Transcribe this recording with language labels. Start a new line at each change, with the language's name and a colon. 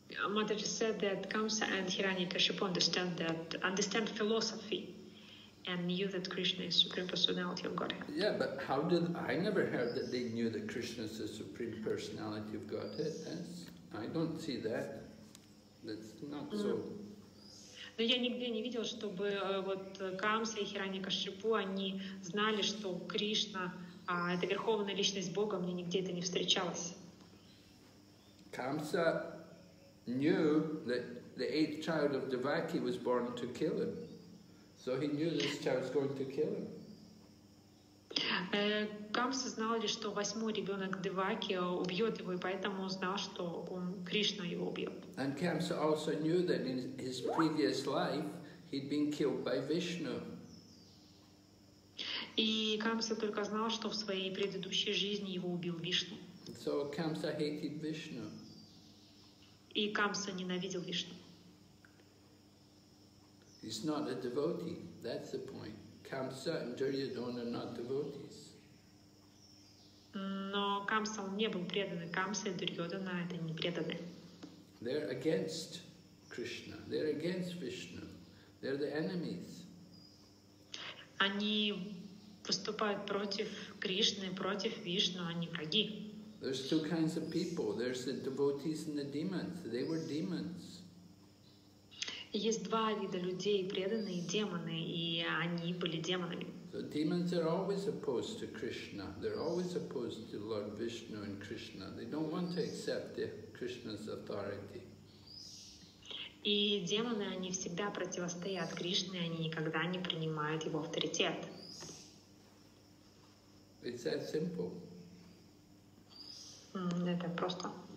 English: Mataji said that Kamsa and Hiranyakashipu understand philosophy and knew that Krishna is the Supreme Personality of Godhead. Yeah, but how did I never heard that they knew that Krishna is the Supreme Personality of Godhead? That's, I don't see that. That's not so.
Russian: Но я нигде не видел, чтобы вот Камса и Хиранякашипу они знали, что Кришна это верховная личность Бога. Мне нигде это не встречалось.
English: Камса knew that the eighth child of Devaki was born to kill him. So he knew this child was going to kill him.
Russian: Камса знал лишь, что восьмой ребенок Деваки убьет его, и поэтому знал, что он Кришна его убьет.
English: And Камса also knew that in his previous life he'd been killed by Vishnu.
Russian: И Камса только знал, что в своей предыдущей жизни его убил Вишну.
English: So Камса hated Vishnu.
Russian: И Камса ненавидел Вишну.
English: He's not a devotee. That's the point. Камса
Russian: и
English: Дурьодхана are not devotees.
Russian: Но Камса не был преданным. Камса и Дурьодхана это не преданные.
English: They're against Krishna. They're against Vishnu. They're the enemies.
Russian: Они выступают против Кришны, против Вишну. Они враги.
English: There's two kinds of people. There's the devotees and the demons. They were demons.
Russian: Есть два вида людей, преданные демоны, и они были демонами.
English: So demons are always opposed to Krishna. They're always opposed to Lord Vishnu and Krishna. They don't want to accept Krishna's authority.
Russian: И демоны, они всегда противостоят Кришне, они никогда не принимают его авторитет.
English: It's that simple.
Russian: Это просто.